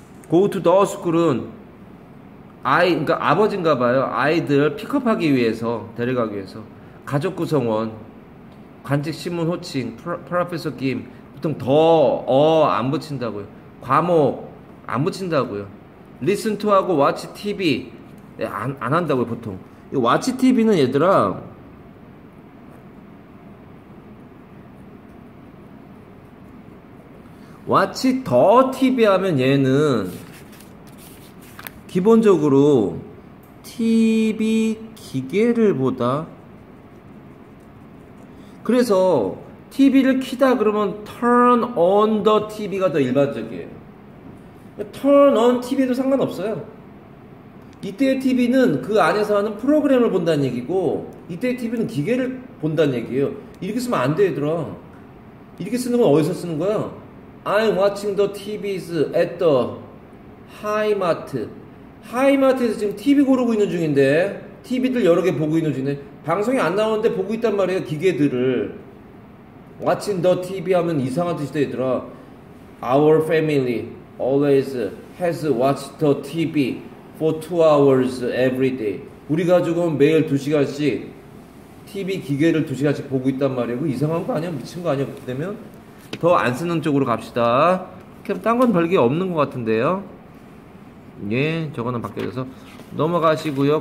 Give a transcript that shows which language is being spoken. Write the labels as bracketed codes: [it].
[ko] Go to the school은 아이, 그러니까 아버지인가 봐요. 아이들 픽업하기 위해서, 데려가기 위해서. 가족 구성원. 관직 신문 호칭. 프로페서 김. 보통 더, 어, 안 붙인다고요. 과목, 안 붙인다고요. [en] Listen to [ko] 하고 [en] watch TV. [ko] 안 한다고요, 보통. Watch TV는 얘들아 Watch the TV 하면 얘는 기본적으로 TV 기계를 보다. 그래서 TV를 키다 그러면 [en] Turn on the TV [ko] 가 더 일반적이에요. [en] Turn on TV도 [ko] 상관없어요. 이때의 TV는 그 안에서 하는 프로그램을 본다는 얘기고 이때의 TV는 기계를 본다는 얘기예요. 이렇게 쓰면 안 돼, 얘들아. 이렇게 쓰는 건 어디서 쓰는 거야? [en] I'm watching the TVs at the Hi-Mart. [ko] Hi-Mart에서 지금 TV 고르고 있는 중인데 TV들 여러 개 보고 있는 중인데 방송이 안 나오는데 보고 있단 말이에요, 기계들을. Watching the TV 하면 이상한 뜻이다, 얘들아. [en] Our family always has watched the TV. For 2 hours every day. [ko] 우리 가족은 매일 2시간씩 TV 기계를 2시간씩 보고 있단 말이고. 이상한 거 아니야? 미친 거 아니야? 그렇게 되면 더 안 쓰는 쪽으로 갑시다. 그럼 딴 건 별게 없는 것 같은데요. 예, 저거는 바뀌어서 넘어가시고요.